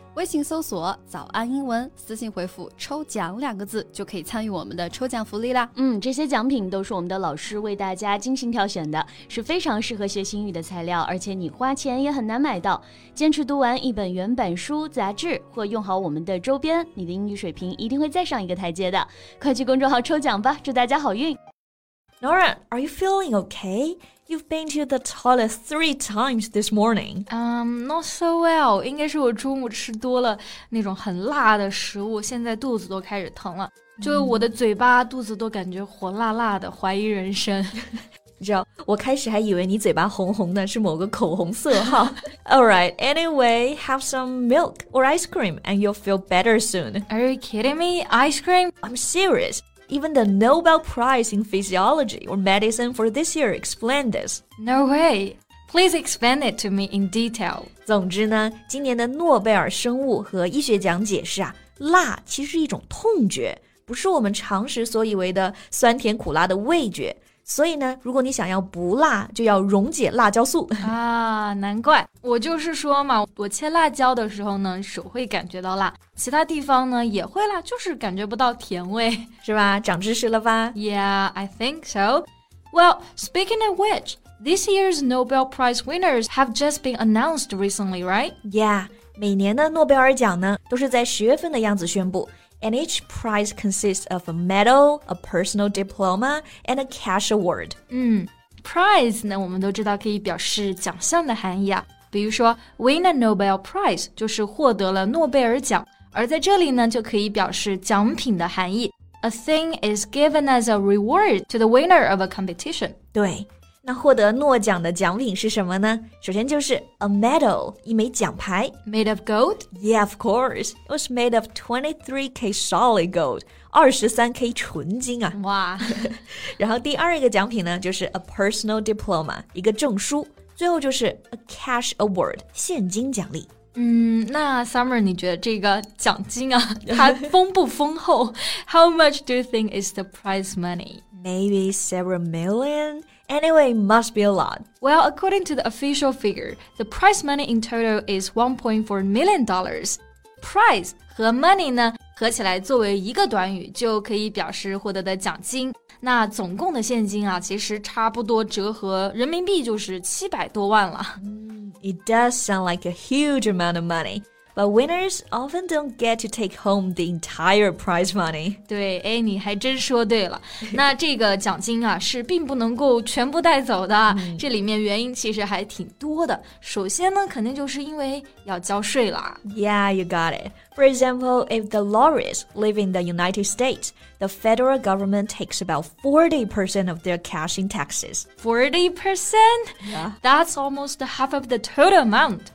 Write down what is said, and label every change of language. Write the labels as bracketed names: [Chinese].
[Chinese] 微信搜索早安英文，私信回复抽奖两个字就可以参与我们的抽奖福利啦。嗯，这些奖品都是我们的老师为大家精心挑选的，是非常适合学英语的材料，而且你花钱也很难买到。坚持读完一本原版书、杂志或用好我们的周边，你的英语水平一定会再上一个台阶的。快去公众号抽奖吧，祝大家好运。 [English] Nora, are you feeling okay? You've been to the toilet 3 times this morning. Not so well. [Chinese] 应该是我中午吃多了那种很辣的食物，现在肚子都开始疼了。就我的嘴巴、肚子都感觉火辣辣的，怀疑人生。你知道，我开始还以为你嘴巴红红的是某个口红色号。 [English] Alright, anyway, have some milk or ice cream and you'll feel better soon. Are you kidding me? Ice cream? I'm serious. Even the Nobel Prize in Physiology or Medicine for this year explained this. No way. Please explain it to me in detail. [Chinese] 总之呢，今年的诺贝尔生物和医学奖解释啊，辣其实是一种痛觉，不是我们常识所以为的酸甜苦辣的味觉。所以呢，如果你想要不辣，就要溶解辣椒素。啊，难怪。我就是说嘛，我切辣椒的时候呢，手会感觉到辣，其他地方呢也会辣，就是感觉不到甜味。是吧？长知识了吧？ [English] Yeah, I think so. Well, speaking of which, this year's Nobel Prize winners have just been announced recently, right? Yeah, [Chinese] 每年的诺贝尔奖呢，都是在十月份的样子宣布。 [English] And each prize consists of a medal, a personal diploma, and a cash award. [Chinese] Prize 呢，我们都知道可以表示奖项的含义啊。比如说 , [English] win a Nobel Prize, [Chinese] 就是获得了诺贝尔奖。而在这里呢，就可以表示奖品的含义。 [English] A thing is given as a reward to the winner of a competition. [Chinese] 对。那获得诺奖的奖品是什么呢？首先就是 [English] a medal, [Chinese] 一枚奖牌。 [English] Made of gold? Yeah, of course. It was made of 23K solid gold, [Chinese] 23K 纯金啊。哇。然后第二个奖品呢，就是 [English] a personal diploma, [Chinese] 一个证书。最后就是 [English] a cash award, [Chinese] 现金奖励。那 Summer, 你觉得这个奖金啊，它丰不丰厚？ [English] How much do you think is the prize money? Maybe several million? Anyway, must be a lot. Well, according to the official figure, the prize money in total is $1.4 million. [Chinese] Prize 和 money 呢，合起来作为一个短语就可以表示获得的奖金。那总共的现金啊，其实差不多折合人民币就是700多万了。 [English] It does sound like a huge amount of money. But winners often don't get to take home the entire prize money. [Chinese] 对，哎，你还真说对了。那这个奖金啊，是并不能够全部带走的。这里面原因其实还挺多的。首先呢，肯定就是因为要交税了。 [English] Yeah, you got it. For example, if the laureates live in the United States, the federal government takes about 40% of their cash in taxes. 40%? Yeah. That's almost half of the total amount.